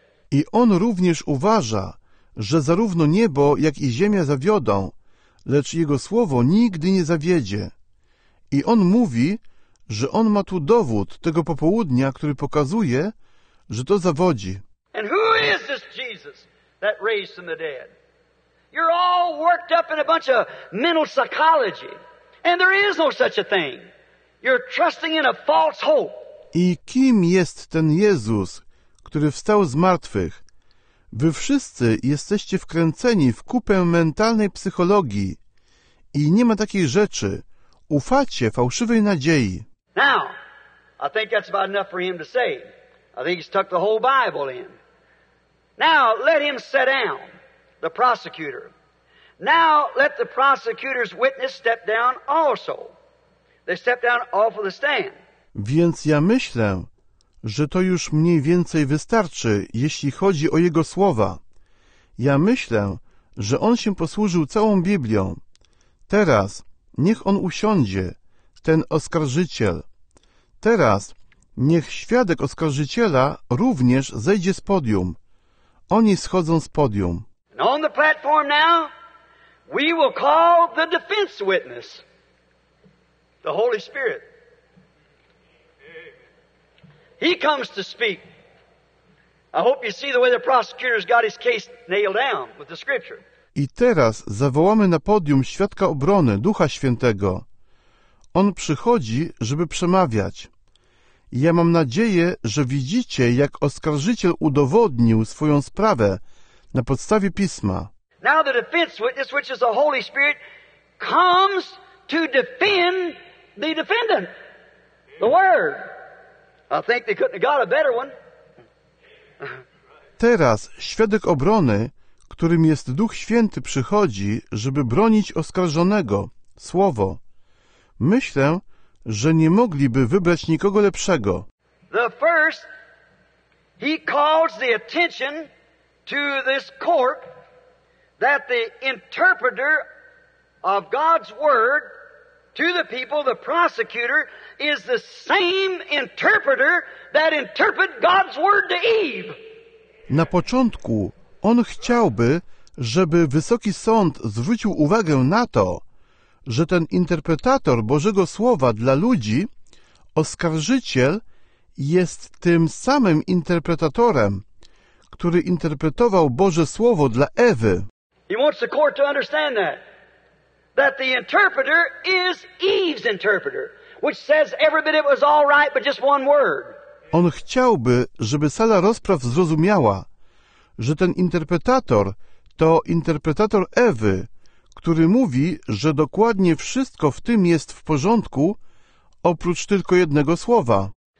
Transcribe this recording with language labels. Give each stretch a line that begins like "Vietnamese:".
Polish: I on również uważa, że zarówno niebo, jak i ziemia zawiodą, lecz jego słowo nigdy nie zawiedzie. I on mówi, że on ma tu dowód tego popołudnia, który pokazuje, że to zawodzi.
English: And who is this Jesus that raised from the dead? You're all worked up in a bunch of mental psychology. And there is no such a thing. You're trusting in a false hope.
Polish: I kim jest ten Jezus, który wstał z martwych? Wy wszyscy jesteście wkręceni w kupę mentalnej psychologii i nie ma takiej rzeczy. Ufacie fałszywej nadziei.
English: Now, I think that's about enough for him to say. I think he's tucked the whole Bible in. Now, let him sit down, the prosecutor. Now, let the prosecutor's witness step down also. They step down off of the stand.
Polish: Więc ja myślę, że to już mniej więcej wystarczy, jeśli chodzi o jego słowa. Ja myślę, że on się posłużył całą Biblią. Teraz niech on usiądzie, ten oskarżyciel. Teraz niech świadek oskarżyciela również zejdzie z podium. Oni schodzą z podium.
English: And on the platform now, we will call the defense witness, the Holy Spirit. He comes to speak. I hope you see the way the prosecutor's got his case nailed down with the scripture.
Polish: I teraz zawołamy na podium świadka obrony, Ducha Świętego. On przychodzi, żeby przemawiać. Ja mam nadzieję, że widzicie, jak oskarżyciel udowodnił swoją sprawę na podstawie Pisma.
English: Now the defense witness, which is the Holy Spirit, comes to defend the defendant, the Word. I think they couldn't have got a better one.
Polish: Teraz świadek obrony, którym jest Duch Święty, przychodzi, żeby bronić oskarżonego, Słowo. Myślę, że nie mogliby wybrać nikogo lepszego.
English: The first, he calls the attention to this court that the interpreter of God's word to the people, the prosecutor, is the same interpreter that interpreted God's word to Eve.
Polish: Na początku on chciałby, żeby wysoki sąd zwrócił uwagę na to, że ten interpretator Bożego Słowa dla ludzi, oskarżyciel, jest tym samym interpretatorem, który interpretował Boże Słowo dla Ewy.
English: He wants the court to understand that the interpreter is Eve's interpreter, which says every bit it was all right, but just one word.
Polish: On chciałby, żeby sala rozpraw zrozumiała, że ten interpretator to interpretator Ewy, który mówi, że dokładnie wszystko w tym jest w porządku, oprócz tylko jednego słowa.